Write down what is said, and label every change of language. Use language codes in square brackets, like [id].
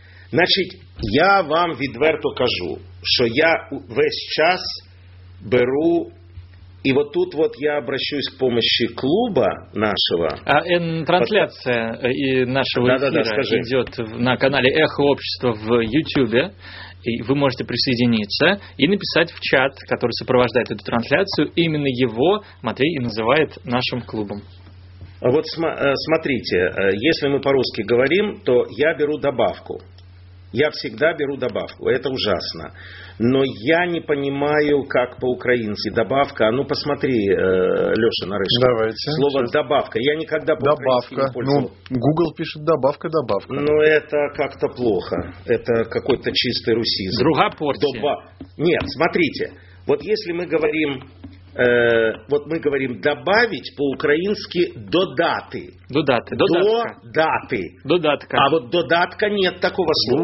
[uk] Значить, я вам відверто кажу, що я весь час беру... І от тут [ru] вот я обращусь к помощи клуба нашого. [uk] Трансляція нашого ефіру йде на каналі «Ехо общества» в Ютубі. [ru] И вы можете присоединиться и написать в чат, который сопровождает эту трансляцию. Именно его Матвей и называет нашим клубом. Вот смотрите, если мы по-русски говорим, то я беру добавку. Я всегда беру добавку. Это ужасно. Но я не понимаю, как по-украински. Добавка. А ну посмотри, Леша, на рыжку. Давайте. Слово сейчас. Добавка. Я никогда по-украински добавка. Не пользовался. Ну, Google пишет добавка, добавка. Ну, это как-то плохо. Это какой-то чистый русизм. [uk] Друга порция. [ru] Нет, смотрите. Вот если мы говорим... вот мы говорим добавить по-украински додати. [uk] Додати. Додати. Додатка. [ru] А вот додатка нет такого слова.